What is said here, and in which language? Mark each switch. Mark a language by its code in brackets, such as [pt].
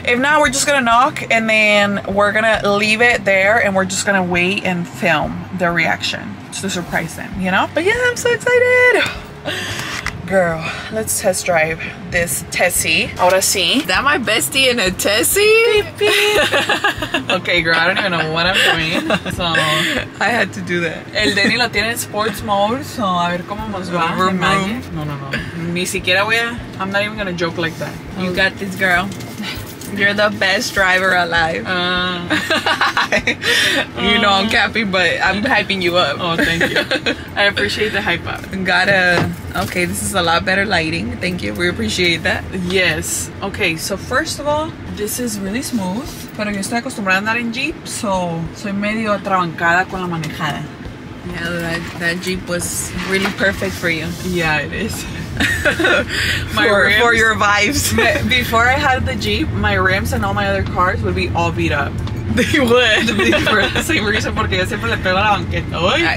[en] If not, we're just gonna knock and then we're gonna leave it there and we're just gonna wait and film their reaction to surprise them, you know. But yeah, I'm so excited. Girl, let's test drive this Tessie. [es] Ahora sí. [en] Is that my bestie in a Tessie? Beep, beep. Okay, girl, I don't even know what I'm doing. So I had to do that. [es] El Denny lo tiene en sports mode, so a ver cómo nos va. No. Ni siquiera voy a. [en] I'm not even gonna joke like that. You got this, girl. You're the best driver alive. You know I'm capping, but I'm hyping you up. Oh, thank you. I appreciate the hype up. Gotta. Okay, this is a lot better lighting. Thank you. We appreciate that. Yes. Okay, so first of all, this is really smooth. [es] Pero yo estoy acostumbrada a andar en Jeep, so soy medio atrabancada con la manejada. [en] Yeah, that Jeep was really perfect for you. Yeah, it is. for your vibes. Before I had the Jeep, my rims and all my other cars would be all beat up. They would. For the same reason, [es] porque yo siempre le pego a la banqueta.